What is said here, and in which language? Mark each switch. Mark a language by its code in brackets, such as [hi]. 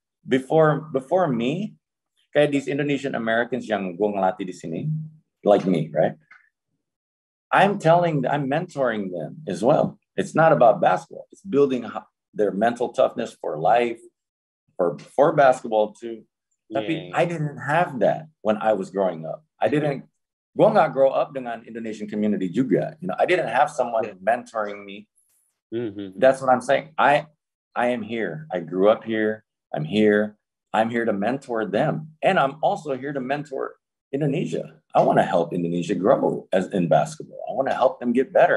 [en] Before me, [id] kayak [en] these Indonesian Americans [id] yang gua ngelatih di sini, [en] like me, right? I'm mentoring them as well. It's not about basketball. It's building their mental toughness for life, for basketball too. Yeah. [id] Tapi [en] I didn't have that when I was growing up. [id] Gua nggak [en] grow up [id] dengan Indonesian community juga. [en] You know, I didn't have someone mentoring me. Mm-hmm. That's what I'm saying. I am here. I grew up here. I'm here. I'm here to mentor them, and I'm also here to mentor Indonesia. I want to help Indonesia grow as in basketball. I want to help them get better.